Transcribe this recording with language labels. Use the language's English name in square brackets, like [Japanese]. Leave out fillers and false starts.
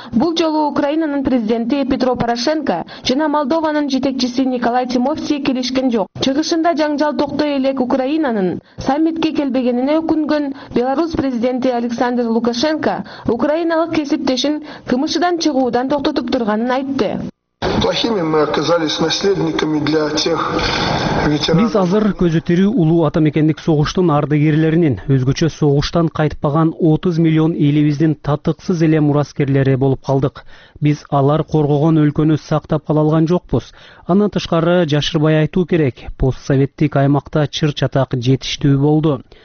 [Kyrgyz] Бул жолу Украинанын президенти Петро Порошенко жана Молдованын жетекчиси Николай Тимофтий келишкен жок. Чыгышында жаңжал токтой элек Украинанын саммитке келбегенине өкүнгөн Беларусь президенти Александр Лукашенко украиналык кесиптешин КМШдан чыгуудан токтотуп турганын айтты. [Russian] Плохими мы оказались наследниками для тех ветеранов. [Kyrgyz] Биз азыр көзү тирүү улуу ата мекендик согуштун ардыгерлеринин, өзгөчө согуштан кайтпаган 30 миллион элибиздин татыксыз эле мураскерлери болуп калдык. Биз алар коргогон өлкөнү сактап кала алган жокпуз. Андан тышкары жашырбай айтуу керек, постсоветтик аймакта чыр-чатак жетиштүү болду.